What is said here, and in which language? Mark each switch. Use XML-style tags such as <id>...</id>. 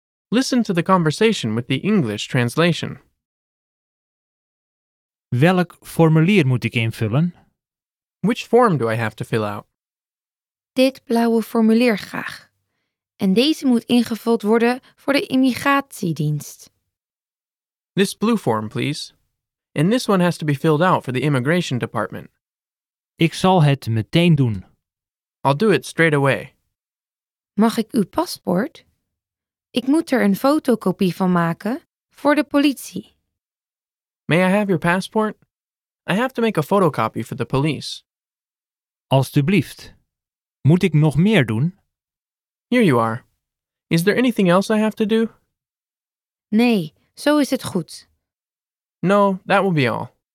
<en>Listen to the conversation with the English translation.</en> <nl>Welk formulier moet ik invullen?</nl> <en>Which form do I have to fill out?</en> <nl>Dit blauwe formulier graag. En deze moet ingevuld worden voor de immigratiedienst.</nl> <en>This blue form, please. And this one has to be filled out for the immigration department.</en> <nl>Ik zal het meteen doen.</nl> <en>I'll do it straight away.</en> <nl>Mag ik uw paspoort? Ik moet er een fotocopie van maken voor de politie.</nl> <en>May I have your passport? I have to make a photocopy for the police.</en> <nl>Alsjeblieft. Moet ik nog meer doen?</nl> <en>Here you are. Is there anything else I have to do?</en> <nl>Nee, zo is het goed.</nl> <en>No, that will be all.</en>